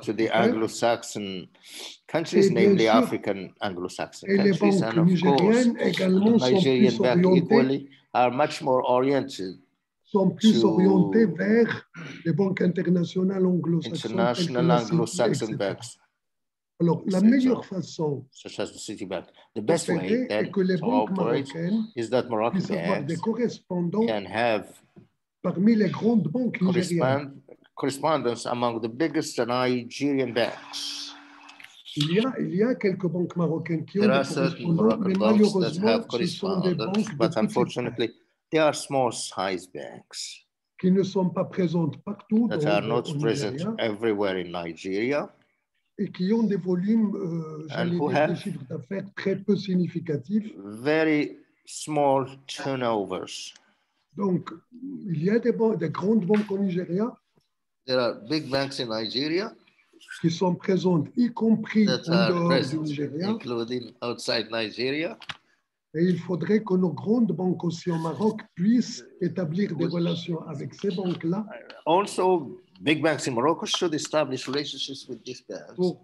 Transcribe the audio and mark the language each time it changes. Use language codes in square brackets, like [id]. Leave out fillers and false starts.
[en] to the Anglo-Saxon countries, namely African Anglo-Saxon countries, and of course, the Nigerian bank equally are much more oriented [fr] sont plus orientés vers les banques internationales anglo-saxon, [en] international Anglo-Saxon banks. [fr] Alors, la meilleure façon, [en] such as the Citibank, the best way then to operate is that Moroccan banks can have [fr] parmi les grandes banques nigériennes. [en] Correspondence among the biggest Nigerian banks. [fr] Il y a quelques banques marocaines qui [en] there [fr] ont des correspondants, mais malheureusement, ce sont des banques [en] but unfortunately, they are small-sized banks [fr] qui ne sont pas présentes partout [en] that [fr] dans [en] are not present everywhere in Nigeria [fr] et qui ont des volumes, des chiffres d'affaires très peu significatifs. [en] Very small turnovers. [fr] Donc, il y a des grandes banques au Nigeria. [en] There are big banks in Nigeria [fr] qui sont présentes, y compris en dehors du Nigeria. [en] Including outside Nigeria. [fr] Et il faudrait que nos grandes banques aussi au Maroc puissent établir des relations avec ces banques-là. [en] Also, big banks in Morocco should establish relationships with these banks